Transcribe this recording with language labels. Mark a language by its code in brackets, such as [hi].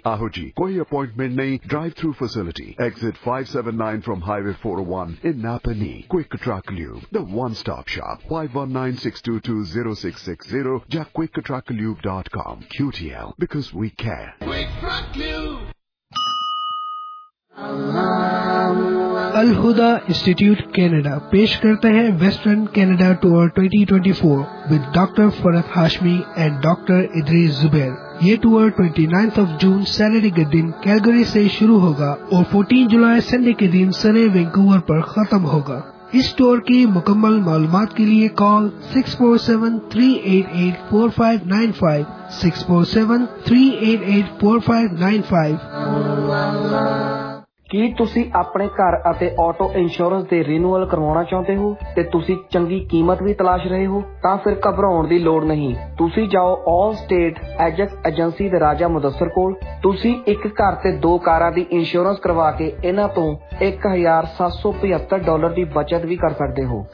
[pa] ਆਹੋ ਜੀ, ਕੋਈ ਅਪਾਇੰਟਮੈਂਟ ਨਹੀਂ, [en] Drive through facility, exit 579 from highway 401 in Napanee. Quick truck lube the one stop shop, 519-622-0660 ਜਾਂ quicktrucklube.com, QTL, because we care. [hi] Al Huda institute Canada पेश करते हैं western Canada tour 2024 with doctor फरत Hashmi and doctor Idris Zubair. ये tour [en] 29th of June Saturday [hi] के दिन Calgary से शुरू होगा और 14 जुलाई संडे के दिन सने वैंकूवर पर खत्म होगा। इस टूर की मुकम्मल मालूमात के लिए कॉल 647-388-4595, 647-388-4595। [pa] ਕੀ ਤੁਸੀਂ ਆਪਣੇ ਘਰ ਅਤੇ ਆਟੋ ਇੰਸ਼ੋਰੈਂਸ ਦੇ ਰਿਨਿਊਅਲ ਕਰਵਾਉਣਾ ਚਾਹੁੰਦੇ ਹੋ ਤੇ ਤੁਸੀਂ ਚੰਗੀ ਕੀਮਤ ਵੀ ਤਲਾਸ਼ ਰਹੇ ਹੋ ਤਾਂ ਫਿਰ ਘਬਰਾਉਣ ਦੀ ਲੋੜ ਨਹੀਂ। ਤੁਸੀਂ ਜਾਓ ਆਲ ਸਟੇਟ ਐਜੈਕਸ ਏਜੰਸੀ ਦੇ ਰਾਜਾ ਮੁਦੱਸਰ ਕੋਲ। ਤੁਸੀਂ ਇੱਕ ਘਰ ਤੇ ਦੋ ਕਾਰਾਂ ਦੀ ਇੰਸ਼ੋਰੈਂਸ ਕਰਵਾ ਕੇ ਇਹਨਾਂ ਤੋਂ $1,775 ਦੀ ਬਚਤ ਵੀ ਕਰ ਸਕਦੇ ਹੋ।